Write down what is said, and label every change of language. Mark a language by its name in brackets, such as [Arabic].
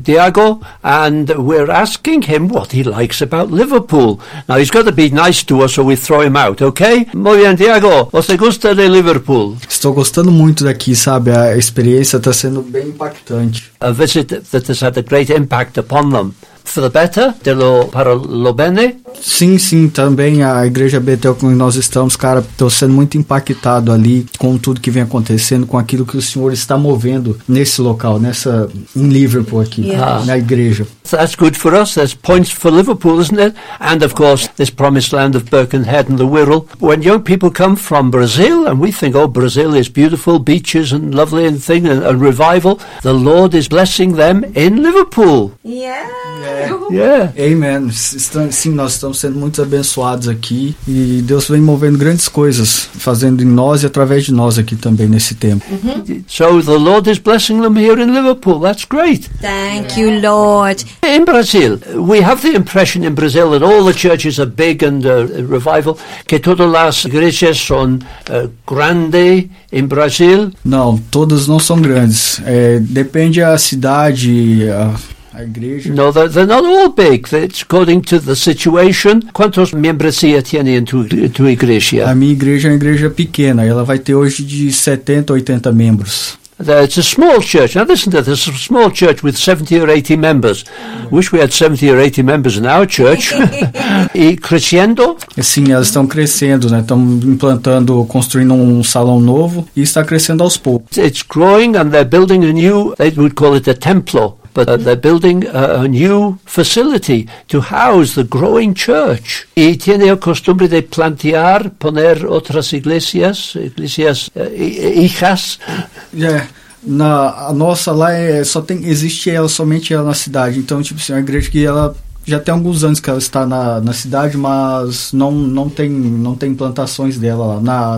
[English] Diego, and we're asking him what he likes about Liverpool. Now, he's got to be nice to us or we throw him out, okay? [Spanish] Muy bien, [English] Diego. [Portuguese] Você gosta de Liverpool? Estou gostando muito daqui, sabe? A experiência está sendo bem impactante. [English] A visit that has had a great impact upon them. For the better, [Spanish] de lo, para lo bene? [Portuguese] Sim, sim, também a Igreja Betel com que nós estamos, cara, estou sendo muito impactado ali com tudo que vem acontecendo, com aquilo que o Senhor está movendo nesse local, nessa, em Liverpool aqui, na igreja. [English] That's good for us, there's points for Liverpool, isn't it? And of course, this promised land of Birkenhead and the Wirral. When young people come from Brazil, and we think, oh, Brazil is beautiful, beaches and lovely and thing, and revival, the Lord is blessing them in Liverpool. Yeah. Amen. [Portuguese] Sim, nós estamos sendo muito abençoados aqui e Deus vem movendo grandes coisas, fazendo em nós e através de nós aqui também nesse tempo. Mm-hmm. [English] So the Lord is blessing them here in Liverpool. That's great. Thank you, Lord. In Brazil, we have the impression in Brazil that all the churches are big and revival, [Portuguese] que todas as igrejas são grandes em Brasil. Não, todas não são grandes. Depende a cidade. [English] No, they're not all big. It's according to the situation. [Portuguese] Quantos membros você tem em tua igreja? A minha igreja é uma igreja pequena. Ela vai ter hoje de 70 a 80 membros. [English] It's a small church. Now listen to this. It's a small church with 70 or 80 members. Wish we had 70 or 80 members in our church. [Portuguese] E crescendo? Sim, elas estão crescendo, né? Estão implantando, construindo um salão novo e está crescendo aos poucos. [English] It's growing and they're building a new, they would call it a templo. But they're building a new facility to house the growing church. [Spanish] Y tiene la costumbre de plantear, poner otras iglesias, iglesias hijas. [English] Yeah. [Portuguese] Na, a nossa lá é, só tem, existe ela, somente ela na cidade. Então, tipo assim, a igreja que ela já tem alguns anos que ela está na cidade, mas não tem plantações dela lá.